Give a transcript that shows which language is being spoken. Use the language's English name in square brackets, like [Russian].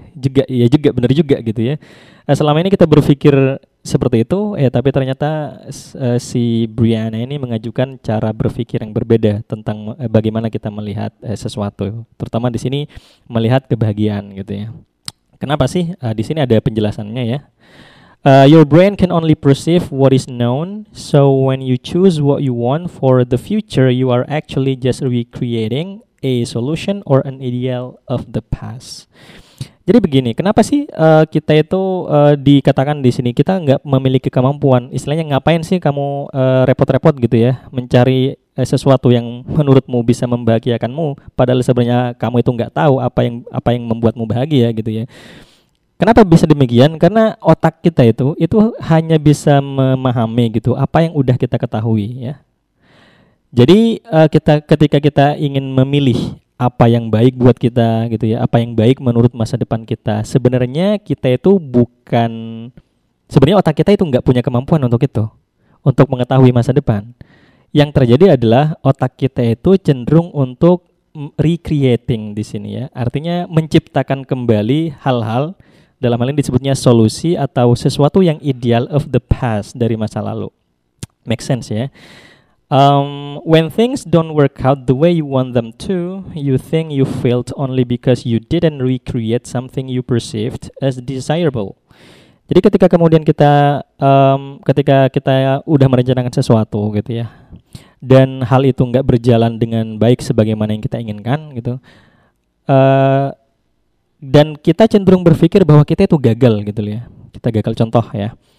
[Indonesian] Juga iya juga, benar juga gitu ya. Selama ini kita berpikir seperti itu, tapi ternyata si Brianna ini mengajukan cara berpikir yang berbeda tentang bagaimana kita melihat sesuatu, terutama di sini melihat kebahagiaan gitu ya. Kenapa sih? Di sini ada penjelasannya ya. [English] Your brain can only perceive what is known, so when you choose what you want for the future, you are actually just recreating a solution or an ideal of the past. [Indonesian] Jadi begini, kenapa sih kita itu dikatakan di sini kita nggak memiliki kemampuan? Istilahnya ngapain sih kamu repot-repot gitu ya mencari sesuatu yang menurutmu bisa membahagiakanmu, padahal sebenarnya kamu itu nggak tahu apa yang membuatmu bahagia gitu ya. Kenapa bisa demikian? Karena otak kita itu hanya bisa memahami gitu apa yang udah kita ketahui ya. Jadi ketika kita ingin memilih apa yang baik buat kita gitu ya, apa yang baik menurut masa depan kita, sebenarnya kita itu bukan, sebenarnya otak kita itu nggak punya kemampuan untuk itu, untuk mengetahui masa depan. Yang terjadi adalah otak kita itu cenderung untuk recreating di sini ya, artinya menciptakan kembali hal-hal, dalam hal ini disebutnya solusi atau sesuatu yang [English] ideal of the past, [Indonesian] dari masa lalu. [English] Make sense ya? When things don't work out the way you want them to, you think you failed only because you didn't recreate something you perceived as desirable. [Indonesian] Jadi ketika kemudian kita ketika kita udah merencanakan sesuatu gitu ya, dan hal itu enggak berjalan dengan baik sebagaimana yang kita inginkan gitu. Dan kita cenderung berpikir bahwa kita itu gagal gitu ya. Kita gagal, contoh ya.